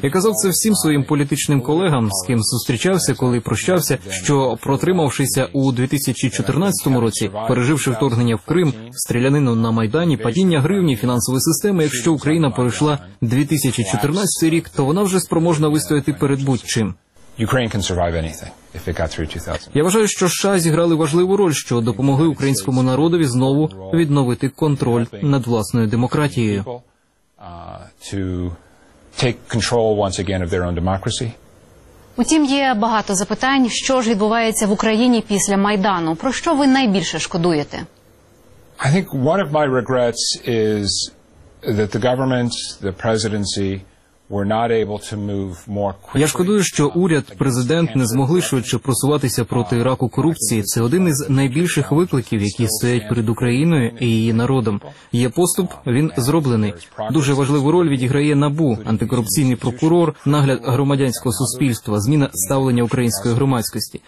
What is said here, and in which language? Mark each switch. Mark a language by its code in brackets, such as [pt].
[uk] Я казав це всім своїм політичним колегам, з ким зустрічався, коли прощався, що протримавшися у 2014 році, переживши вторгнення в Крим, стрілянину на Майдані, падіння гривні, фінансової системи, якщо Україна пройшла 2014 рік, то вона вже спроможна вистояти перед будь-чим. [en] Ukraine can survive anything. If it got through 2000. [uk] Я вважаю, що США зіграли важливу роль, що допомогли українському народові знову відновити контроль над власною демократією. [en] To take control once again of their own democracy. [uk] Утім, є багато запитань, що ж відбувається в Україні після Майдану. Про що ви найбільше шкодуєте? [en] I think one of my regrets is that the government, the presidency were not able to move more quickly. [uk] Я шкодую, що уряд, президент не змогли швидше просуватися проти раку корупції. Це один із найбільших викликів, які стоять перед Україною і її народом. Є поступ, він зроблений. Дуже важливу роль відіграє НАБУ, антикорупційний прокурор, нагляд громадянського суспільства, зміна ставлення української громадськості.